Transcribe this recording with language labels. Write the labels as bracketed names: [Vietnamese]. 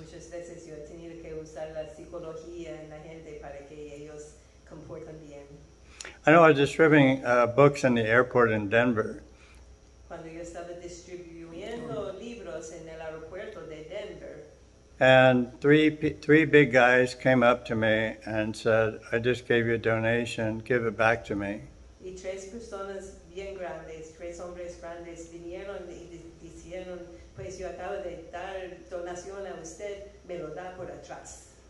[Spanish] Muchas veces yo he tenido que usar la psicología en la gente para que ellos comporten bien. [English] I know I was distributing books in the airport in Denver. [Spanish] Cuando yo estaba distribuyendo libros en el aeropuerto de Denver. [English] And three big guys came up to me and said, I just gave you a donation, give it back to me. [Spanish] Y tres personas bien grandes, tres hombres grandes, vinieron y dijeron, pues yo acabo de dar donación a usted, me lo da por atrás.